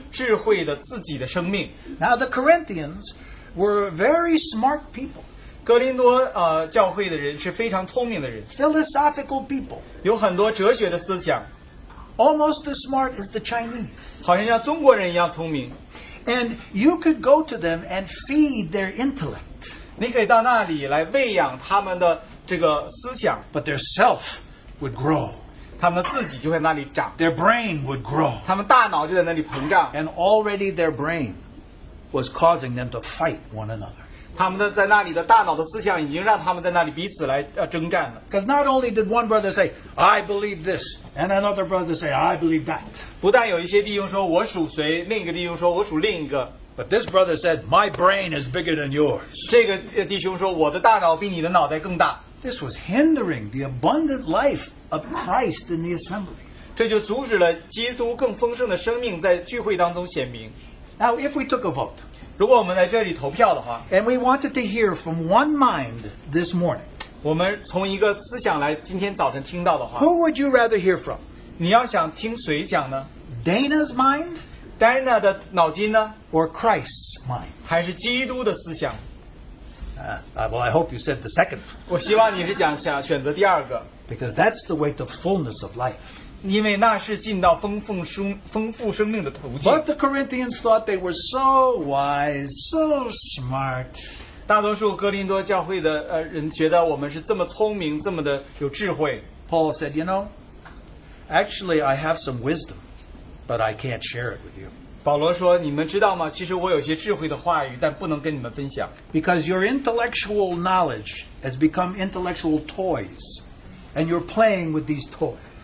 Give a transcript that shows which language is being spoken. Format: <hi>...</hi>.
<zh>但是他不想喂养他们那个智慧的自己的生命。</zh> <en>Now the Corinthians were very smart people.</en> <zh>哥林多教会的人是非常聪明的人。</zh> <en>Philosophical people.</en> <zh>有很多哲学的思想。</zh> <en>Almost as smart as the Chinese.</en> <zh>好像像中国人一样聪明。</zh> <en>And you could go to them and feed their intellect.</en> <zh>你可以到那里来喂养他们的这个思想。</zh> <en>But their self would grow. Their brain would grow. And already their brain was causing them to fight one another. Because not only did one brother say, I believe this, and another brother say, I believe that.</en> <zh>不但有一些弟兄说我属谁, 另一个弟兄说我属另一个,</zh> <en>but this brother said, my brain is bigger than yours.</en> <zh>这个弟兄说我的大脑比你的脑袋更大。</zh> <en>This was hindering the abundant life of Christ in the assembly.</en> <zh>这就阻止了基督更丰盛的生命在聚会当中显明。</zh> <en>Now, if we took a vote,</en> <zh>如果我们在这里投票的话,</zh> <en>and we wanted to hear from one mind this morning,</en> <zh>我们从一个思想来今天早晨听到的话,</zh> <en>who would you rather hear from?</en> <zh>你要想听谁讲呢?</zh> <en>Dana's mind?</en> <zh>Dana的脑筋呢?</zh> <en>Or Christ's mind?</en> <zh>还是基督的思想?</zh> <en>Well, I hope you said the second.</en> <zh>我希望你是讲选择第二个。</zh> <en>Because that's the way to fullness of life.</en> <zh>因为那是进到丰富生命的途径。</zh> <en>But the Corinthians thought they were so wise, so smart.</en> <zh>大多数哥林多教会的人觉得我们是这么聪明，这么的有智慧。</zh> <en>Paul said, you know, actually I have some wisdom, but I can't share it with you.</en> <zh>保罗说,你们知道吗? 其实我有些智慧的话语,但不能跟你们分享。</zh> <en>Because your intellectual knowledge has become intellectual toys, and you're playing with these toys.</en>